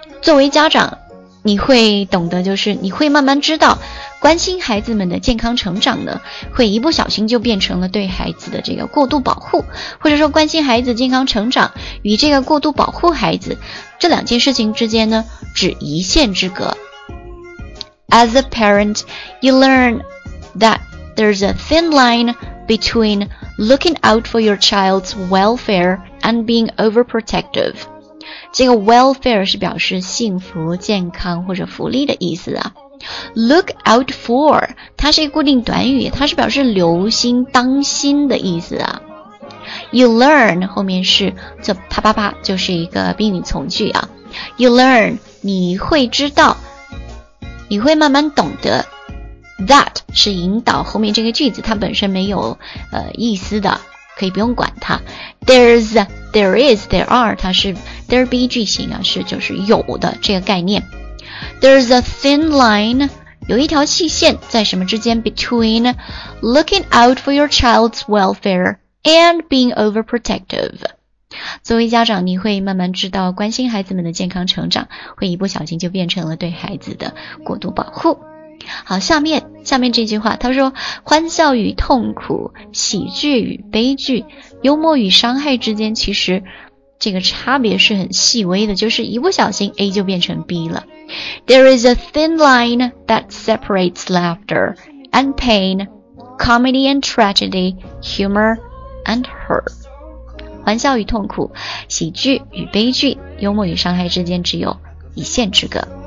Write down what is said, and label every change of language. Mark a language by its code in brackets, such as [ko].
[zh] 作为家长你会懂得，就是你会慢慢知道关心孩子们的健康成长呢，会一不小心就变成了对孩子的这个过度保护，或者说关心孩子健康成长与这个过度保护孩子这两件事情之间呢只一线之隔。 [en] As a parent, you learn that there's a thin line between looking out for your child's welfare and being overprotective。 [zh] 这个 welfare 是表示幸福健康或者福利的意思啊。 [en] look out for [zh] 它是一个固定短语，它是表示留心当心的意思啊。 [en] you learn [zh] 后面是就啪啪啪，就是一个宾语从句啊。 [en] you learn [zh] 你会知道，你会慢慢懂得， that 是引导，后面这个句子它本身没有意思的，可以不用管它。 [en] there's there is there are [zh] 它是 [en] there be [zh] 句型啊，是就是有的这个概念。 [en] there's a thin line [zh] 有一条细线在什么之间， [en] between looking out for your child's welfare and being overprotective。 [zh] 作为家长你会慢慢知道关心孩子们的健康成长会一不小心就变成了对孩子的过度保护。好，下面这句话，他说欢笑与痛苦，喜剧与悲剧，幽默与伤害之间其实这个差别是很细微的，就是一不小心 A 就变成 B 了。 [en] There is a thin line that separates laughter and pain, comedy and tragedy, humor and hurt。 [zh] 欢笑与痛苦，喜剧与悲剧，幽默与伤害之间只有一线之隔。